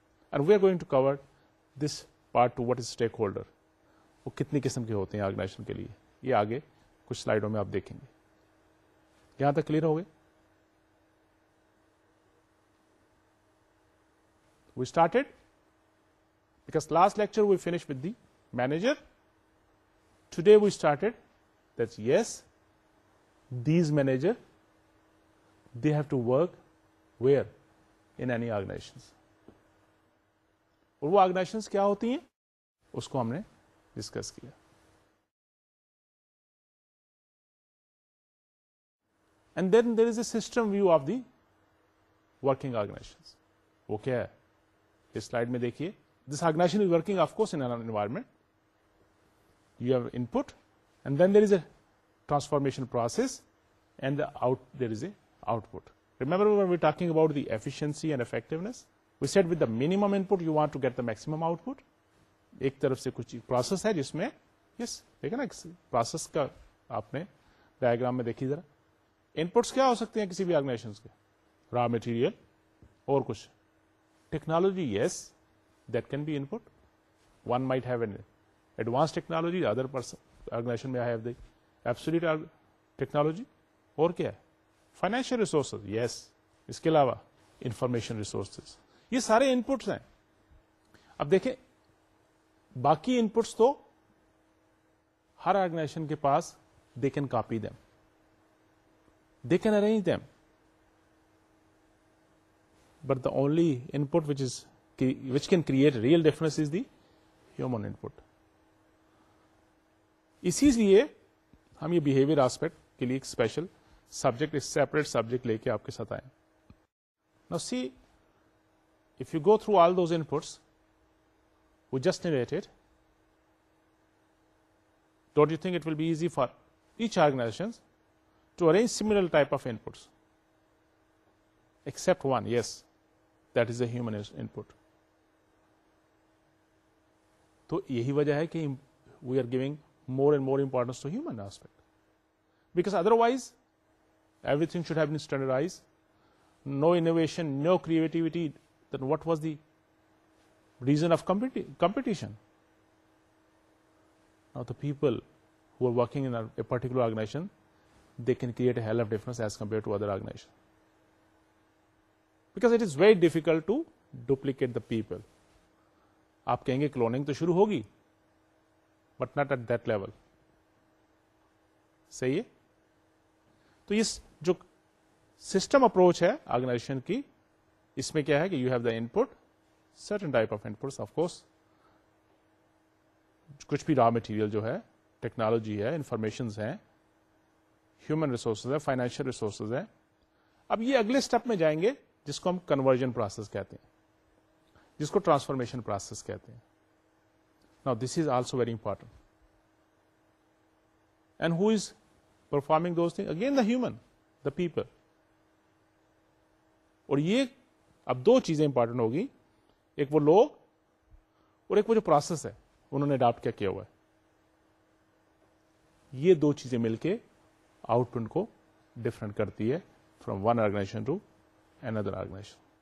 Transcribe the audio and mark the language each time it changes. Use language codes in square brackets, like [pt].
[en] and we are going to cover this part two, what is stakeholder, [ur] وہ کتنی قسم کے ہوتے ہیں آرگنائزیشن کے لیے, یہ آگے کچھ سلائیڈوں میں آپ دیکھیں گے. یہاں تک کلیئر ہو گئے؟ [en] We started because last lecture we finish with the manager, today we started that yes, these manager, they have to work where? In any organizations. [ur] اور وہ آرگنائزیشنز کیا ہوتی ہیں اس کو ہم نے ڈسکس کیا. [en] And then there is a system view of the working organizations. [ur] وہ کیا ہے اس سلائیڈ میں دیکھیے. [en] This organization is working of course in an environment. You have input and then there is a transformation process and the out there is a output. Remember when we talking about the efficiency and effectiveness, we said with the minimum input you want to get the maximum output. [ur] ایک طرف سے کچھ process ہے جس میں یس دیکھے نا process کا آپ نے ڈائگرام میں دیکھی ذرا. انپٹس کیا ہو سکتے ہیں کسی بھی آرگنائزیشن کے؟ را مٹیریل اور کچھ technology, [en] Yes that can be input. One might have an advance technology, other organization may have the obsolete technology. [ur] اور کیا ہے؟ فائنینشیل ریسورسز, یس. اس کے علاوہ انفارمیشن ریسورسز, یہ سارے انپٹس ہیں. اب دیکھیں باقی انپٹس تو ہر آرگنائزیشن کے پاس, [en] They can copy them, they can arrange them, but the only input which is which can create real difference is the human input. [ur] اسی لیے ہم یہ بیہیویئر آسپیکٹ کے لیے ایک اسپیشل سبجیکٹ, ایک سیپریٹ سبجیکٹ لے کے آپ کے ساتھ آئے. [en] Now see, if you go through all those inputs we just narrated, don't you think it will be easy for each organization to arrange similar type of inputs? Except one, yes, that is a human input. So [ur] yahi wajah hai ki [en] we are giving more and more importance to human aspect. Because otherwise, everything should have been standardized. No innovation, no creativity, then what was the reason of competition? Now the people who are working in a particular organization, they can create a hell of difference as compared to other organizations. Because it is very difficult to duplicate the people. [ur] Aap kahenge cloning to shuru hogi, [en] but not at that level. [ur] Sahi hai? To yes, jo system approach ہے organization کی, اس میں کیا ہے کہ [en] you have the input, certain type of inputs, of course [ur] کچھ بھی raw material جو ہے, ٹیکنالوجی ہے, انفارمیشن ہیں, ہیومن ریسورسز ہیں, فائنینشیل ریسورسز ہیں. اب یہ اگلے اسٹیپ میں جائیں گے جس کو ہم کنورژن پروسیس کہتے ہیں, جس کو ٹرانسفارمیشن پروسیس کہتے ہیں. [en] Now this is also very important. And who is performing those thing? Again the human, the people. [ur] اور یہ اب دو چیزیں امپورٹنٹ ہوگی, ایک وہ لوگ اور ایک وہ جو پروسیس ہے انہوں نے اڈاپٹ کیا ہوا ہے. یہ دو چیزیں مل کے آؤٹ پٹ کو ڈفرنٹ کرتی ہے [en] From one organization to another organization.